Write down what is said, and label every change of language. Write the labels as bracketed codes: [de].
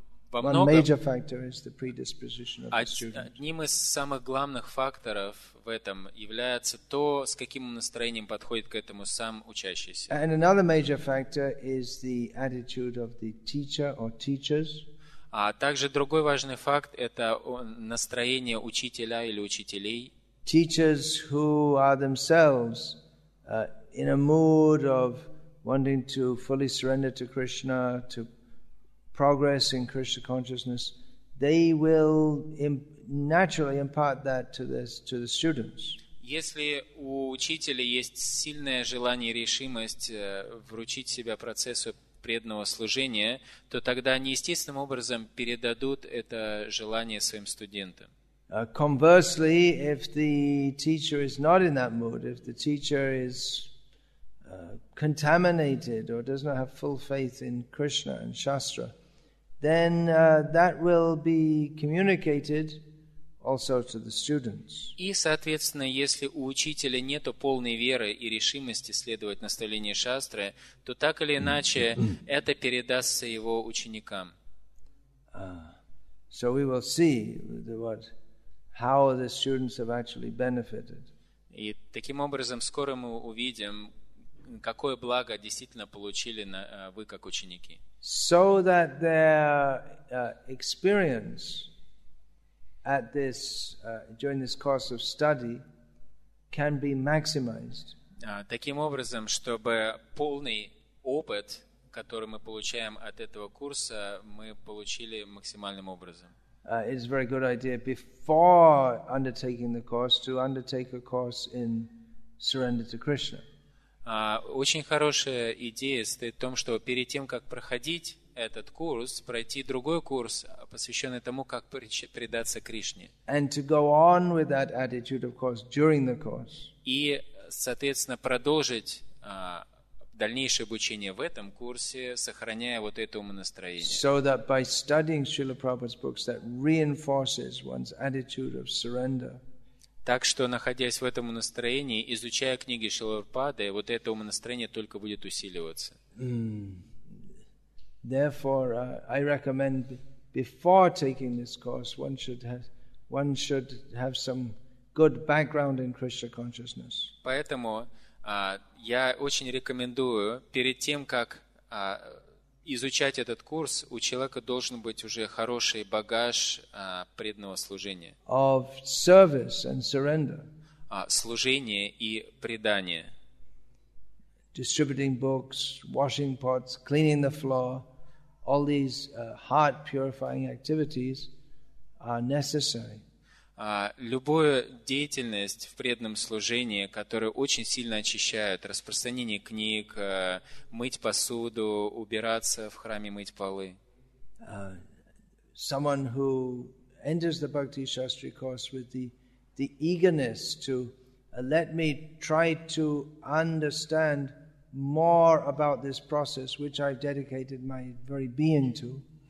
[en] One major factor is the predisposition of the student. [ru] Одним из самых главных факторов в этом является то, с каким настроением подходит к этому сам учащийся. [en] And another major factor is the attitude of the teacher or teachers. [ru] А также другой важный факт – это настроение учителя или учителей. [en] Teachers who are themselves in a mood of wanting to fully surrender to Krishna, to progress in Krishna consciousness, they will naturally impart that to the students. [ru] Если у учителя есть сильное желание и решимость вручить себя процессу преданного служения, то тогда они естественным образом передадут это желание своим студентам. [en] Conversely, if the teacher is not in that mood, if the teacher is contaminated or does not have full faith in Krishna and Shastra, then that will be communicated also to the students. [ru] И, соответственно, если у учителя нету полной веры и решимости следовать наставлениям шастры, то так или иначе это передастся его ученикам. [en] So we will see how the students have actually benefited. [ru] И таким образом скоро мы увидим, какое благо действительно получили вы как ученики. [en] So that their experience at this during this course of study can be maximized. [ru] Таким образом, чтобы полный опыт, который мы получаем от этого курса, мы получили максимальным образом. [en] It's a very good idea before undertaking the course to undertake a course in surrender to Krishna. [ru] Очень хорошая идея стоит в том, что перед тем, как проходить этот курс, пройти другой курс, посвященный тому, как предаться Кришне. [en] And to go on with that attitude, of course, during the course. [ru] И, соответственно, продолжить дальнейшее обучение в этом курсе, сохраняя вот это умонастроение. [en] So that by studying Srila Prabhupada's books, that reinforces one's attitude of surrender. [ru] Так что, находясь в этом настроении, изучая книги Шрилы Прабхупады, вот это умонастроение только будет усиливаться. [en] Therefore, I recommend before taking this course, one should have some good background in Krishna consciousness. [ru] Поэтому я очень рекомендую перед тем, как изучать этот курс, у человека должен быть уже хороший багаж преданного служения. [en] Of service and surrender. [ru] Служение и предание. [en] Distributing books, washing pots, cleaning the floor. All these heart purifying activities are necessary. [ru] Любую деятельность в преданном служении, которая очень сильно очищает, распространение книг, мыть посуду, убираться в храме, мыть полы. [en] Someone who enters the Bhakti Shastri course with the eagerness to let me try to understand more about this process which I've dedicated my very being to.